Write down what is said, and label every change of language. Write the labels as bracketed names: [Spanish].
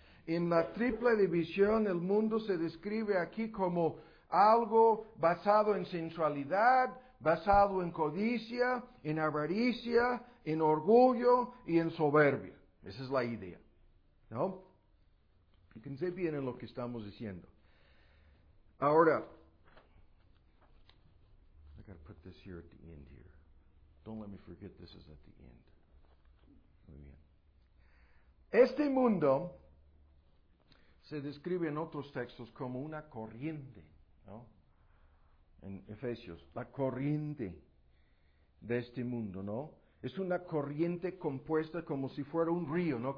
[Spanish] En la triple división, el mundo se describe aquí como algo basado en sensualidad, basado en codicia, en avaricia, en orgullo y en soberbia. Esa es la idea, ¿no? Fíjense bien en lo que estamos diciendo. Ahora, [English] I gotta put this here at the end here. Don't let me forget this is at the end. [Spanish] Muy bien. Este mundo se describe en otros textos como una corriente, ¿no? En Efesios, la corriente de este mundo, ¿no? Es una corriente compuesta como si fuera un río, ¿no?